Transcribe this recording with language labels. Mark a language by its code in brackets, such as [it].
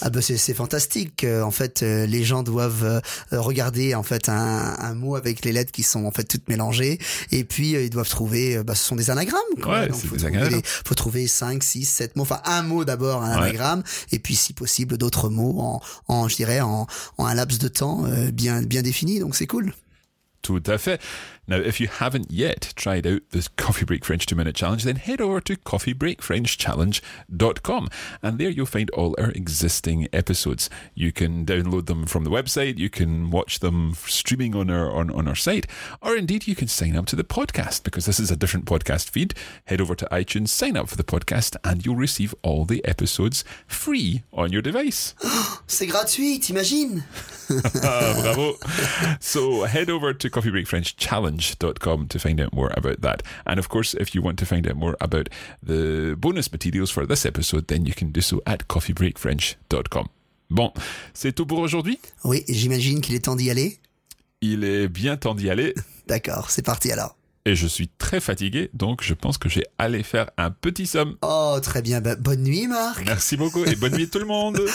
[fr] Ah ben c'est fantastique. En fait, les gens doivent regarder en fait un mot avec les lettres qui sont en fait toutes mélangées. Et puis, ils doivent trouver, bah, ce sont des anagrammes. Quoi. Ouais, donc, c'est des anagrammes. Il faut trouver 5, 6, 7 mots. Enfin, un mot d'abord, un anagramme. Et puis, si possible, d'autres mots en un laps de temps bien, bien défini. Donc, c'est cool. Tout à fait. [en] Now, if you haven't yet tried out this Coffee Break French 2-Minute Challenge, then head over to coffeebreakfrenchchallenge.com. And there you'll find all our existing episodes. You can download them from the website, you can watch them streaming on our site, or indeed you can sign up to the podcast, because this is a different podcast feed. Head over to iTunes, sign up for the podcast, and you'll receive all the episodes free on your device. [fr] Oh, c'est gratuit, t'imagines? Bravo. [en] So head over to coffeebreakfrenchchallenge.com to find out more about that. And of course, if you want to find out more about the bonus materials for this episode, then you can do so at coffeebreakfrench.com. [fr] Bon, c'est tout pour aujourd'hui? Oui, j'imagine qu'il est temps d'y aller. Il est bien temps d'y aller. D'accord, c'est parti alors. Et je suis très fatigué, donc je pense que j'ai allé faire un petit somme. Oh, très bien. Bah, bonne nuit, Marc. Merci beaucoup et bonne nuit à tout le monde.